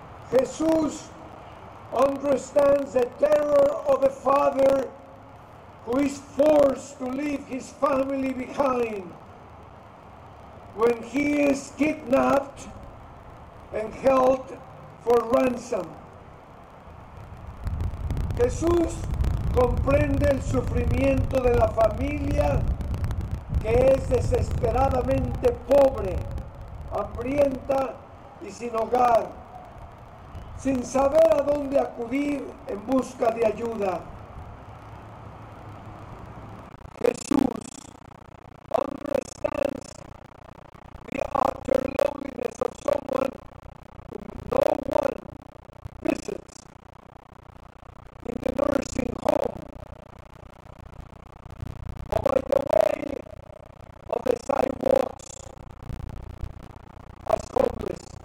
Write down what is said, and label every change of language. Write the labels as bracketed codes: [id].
[en] Jesus understands the terror of a father who is forced to leave his family behind when he is kidnapped and held for ransom. [es] Jesús comprende el sufrimiento de la familia que es desesperadamente pobre, hambrienta y sin hogar, sin saber a dónde acudir en busca de ayuda. [en] Jesús understands the utter loneliness of someone whom no one visits in the nursing home, or by the way of the sidewalks as homeless.